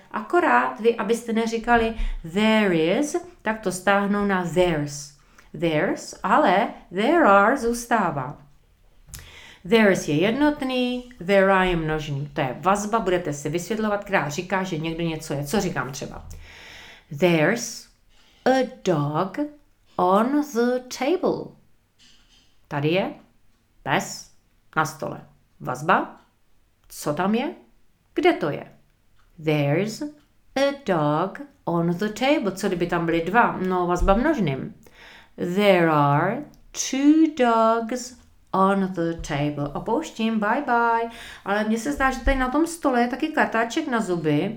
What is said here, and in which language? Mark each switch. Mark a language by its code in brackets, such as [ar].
[cs] Akorát vy, abyste neříkali [en] there is, [cs] tak to stáhnou na theirs. Theirs, ale [en] there are [cs] zůstává. Theirs je jednotný, there are je množný. To je vazba, budete si vysvětlovat, která říká, že někdo něco je. Co říkám třeba? [en] There's a dog on the table. [cs] Tady je pes na stole. Vazba, co tam je? Kde to je? [en] There's a dog on the table. [cs] Co kdyby tam byly dva? No, vazba množným. [en] There are two dogs on the table. [cs] Opouštím, bye. Ale mně se zdá, že tady na tom stole je taky kartáček na zuby.